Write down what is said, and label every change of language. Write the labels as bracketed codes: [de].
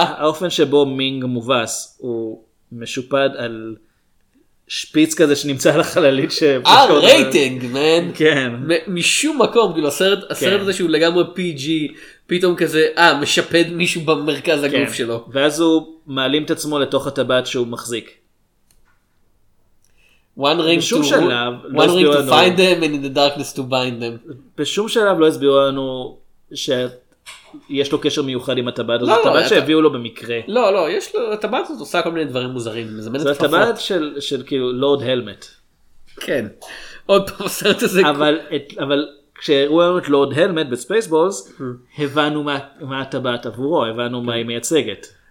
[he] האופן שבו מינג מובס הוא משופד על שפיץ כזה שנמצא על החללית ש... רייטינג, מן. כן. משום מקום, כאילו הסרט הזה שהוא לגמרי PG, פתאום כזה, משפד מישהו במרכז הגוף שלו. ואז הוא מעלים את עצמו לתוך הטבעת שהוא מחזיק. בשום שלב, [en] One ring to find them and in the darkness to bind them. [he] בשום שלב לא הסבירו לנו ש... יש לו קשר מיוחד עם הטבעת הזאת, הטבעת שהביאו לו במקרה. לא, לא, יש לו, הטבעת הזאת עושה כל מיני דברים מוזרים, מזמנת כפפות. זה הטבעת של כאילו לורד הלמט. כן. עוד פעם הסרט הזה. אבל כשהראו לנו את לורד הלמט בספייסבולס, הבנו מה הטבעת עבורו, הבנו מה היא מייצגת.